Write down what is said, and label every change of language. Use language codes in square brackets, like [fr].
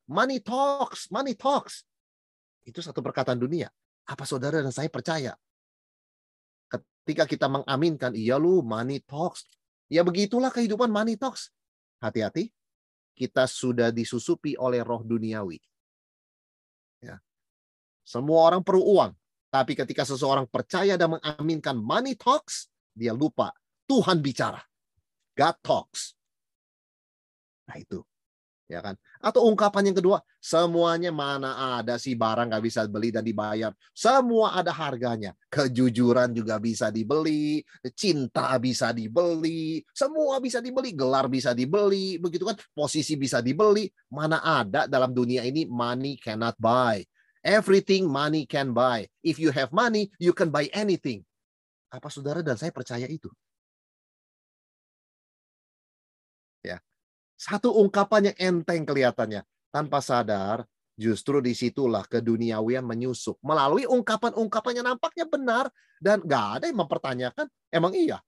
[en] Money talks, money talks. [id] Itu satu perkataan dunia. Apa saudara dan saya percaya? Ketika kita mengaminkan, iya lu, [en] money talks. [id] Ya begitulah kehidupan, [en] money talks. [id] Hati-hati, kita sudah disusupi oleh roh duniawi. Ya. Semua orang perlu uang. Tapi ketika seseorang percaya dan mengaminkan [en] money talks, [id] dia lupa Tuhan bicara. [en] God talks. [id] Nah itu. ya kan? Atau ungkapan yang kedua, semuanya mana ada sih barang nggak bisa beli dan dibayar? Semua ada harganya. Kejujuran juga bisa dibeli, cinta bisa dibeli, semua bisa dibeli, gelar bisa dibeli, begitu kan? Posisi bisa dibeli. Mana ada dalam dunia ini [en] money cannot buy? Everything money can buy. If you have money, you can buy anything. [id] Apa saudara dan saya percaya itu? Ya. Satu ungkapan yang enteng kelihatannya. Tanpa sadar, justru disitulah keduniawian menyusup. Melalui ungkapan-ungkapan yang nampaknya benar. Dan gak ada yang mempertanyakan. Emang iya?